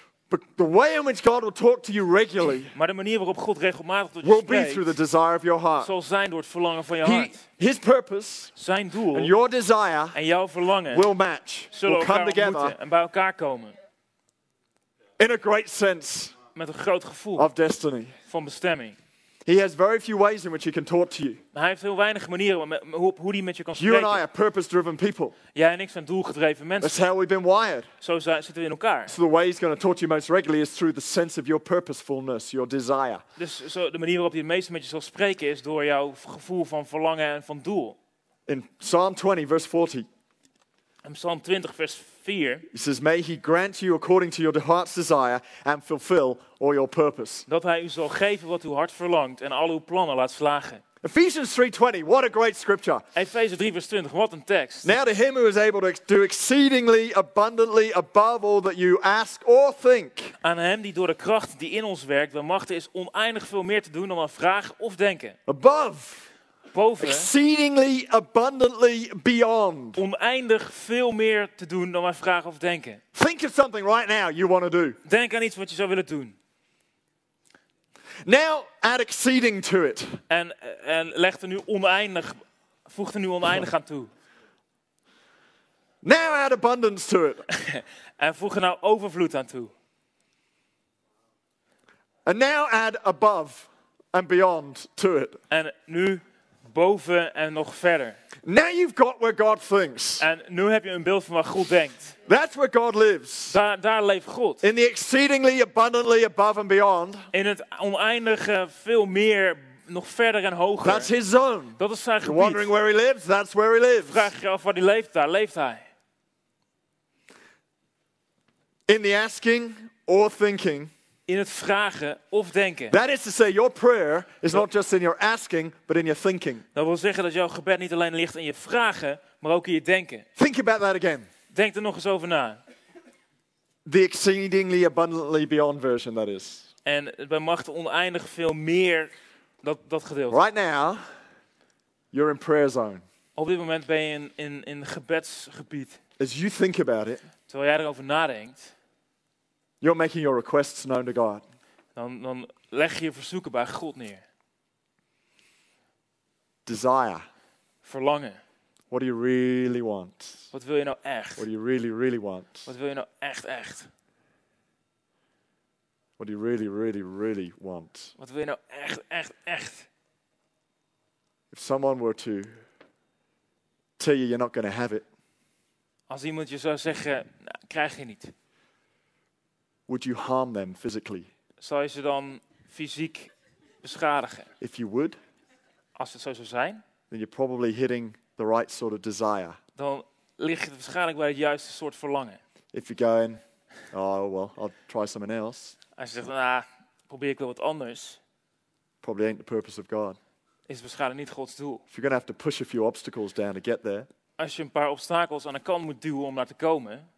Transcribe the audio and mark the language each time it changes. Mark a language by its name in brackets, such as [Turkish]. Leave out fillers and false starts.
[English] But the way in which God will talk to you regularly, [Dutch] maar de manier waarop God regelmatig tot je [English] will [Dutch] spreekt, [English] be through the desire of your heart. [Dutch] Zal zijn door het verlangen van je hart. [English] His purpose, [Dutch] zijn doel, [English] and your desire, [Dutch] en jouw verlangen, [English] will match, [Dutch] zullen [English] will come [Dutch] elkaar [English] together, [Dutch] en bij elkaar komen. [English] In a great sense, [Dutch] met een groot gevoel [English] of destiny, [Dutch] van bestemming. [English] He has very few ways in which he can talk to you. [Dutch] Hij heeft heel weinig manieren hoe hij met je kan spreken. [English] You and I are purpose-driven people. [Dutch] Jij en ik zijn doelgedreven mensen. [English] That's how we've been wired. [Dutch] Zo zitten we in elkaar. [English] So the way he's going to talk to you most regularly is through the sense of your purposefulness, your desire. [Dutch] Dus zo de manier waarop hij het meest met je zal spreken is door jouw gevoel van verlangen en van doel. [English] In Psalm 20, verse 40. [Dutch] In Psalm 20, vers 4. [English] He says, may he grant you according to your heart's desire and fulfill all your purpose. [Dutch] Dat hij u zal geven wat uw hart verlangt en al uw plannen laat slagen. [English] Ephesians 3:20, what a great scripture. [Dutch] Efeze 3, vers 20, wat een tekst. [English] Now to him who is able to do exceedingly abundantly above all that you ask or think. [Dutch] Aan hem die door de kracht die in ons werkt, de macht is oneindig veel meer te doen dan aan vragen of denken. [English] Above. [Dutch] Boven, [English] exceedingly abundantly beyond. [Dutch] Oneindig veel meer te doen dan wij vragen of denken. [English] Think of something right now you want to do. [Dutch] Denk aan iets wat je zou willen doen. [English] Now add exceeding to it. [Dutch] En leg er nu oneindig, voeg er nu oneindig aan toe. [English] Now add abundance to it. [Dutch] En voeg er nou overvloed aan toe. [English] And now add above and beyond to it. [Dutch] En nu boven en nog verder. [English] Now you've got where God thinks. [Dutch] En nu heb je een beeld van waar God denkt. [English] That's where God lives. [Dutch] Daar leeft God. [English] In the exceedingly abundantly above and beyond. [Dutch] In het oneindige veel meer, nog verder en hoger. [English] That's his zone. [Dutch] Dat is zijn gebied. [English] You're wondering where he lives? That's where he lives. [Dutch] Vraag je af waar hij leeft? Daar leeft hij. [English] In the asking or thinking. [Dutch] In het vragen of denken. [English] That is to say, your prayer is not just in your asking, but in your thinking. [Dutch] Dat wil zeggen dat jouw gebed niet alleen ligt in je vragen, maar ook in je denken. [English] Think about that again. [Dutch] Denk er nog eens over na. [English] The exceedingly abundantly beyond version, that is. [Dutch] En bij macht oneindig veel meer dat gedeelte. [English] Right now, you're in prayer zone. [Dutch] Op dit moment ben je in gebedsgebied. [English] As you think about it. [Dutch] Terwijl jij erover nadenkt. [English] You're making your requests known to God. [Dutch] Dan leg je verzoeken bij God neer. [English] Desire. [Dutch] Verlangen. [English] What do you really want? [Dutch] Wat wil je nou echt? [English] What do you really, really want? [Dutch] Wat wil je nou echt, echt? [English] What do you really, really, really want? [Dutch] Wat wil je nou echt, echt, echt? [English] If someone were to tell you you're not going to have it. [Dutch] Als iemand je zou zeggen, nou, krijg je niet. [English] Would you harm them physically? [Dutch] Zou je ze dan fysiek beschadigen? [English] If you would, [Dutch] als het zo zou zijn, [English] then you're probably hitting the right sort of desire. [Dutch] Dan lig je waarschijnlijk bij het juiste soort verlangen. [English] If you're going, oh well, I'll try something else. [Dutch] Als je zegt, nou, probeer ik wel wat anders. [English] Probably ain't the purpose of God. [Dutch] Is waarschijnlijk niet Gods doel. [English] If you're going to have to push a few obstacles down to get there. [Dutch] Als je een paar obstakels aan de kant moet duwen om daar te komen.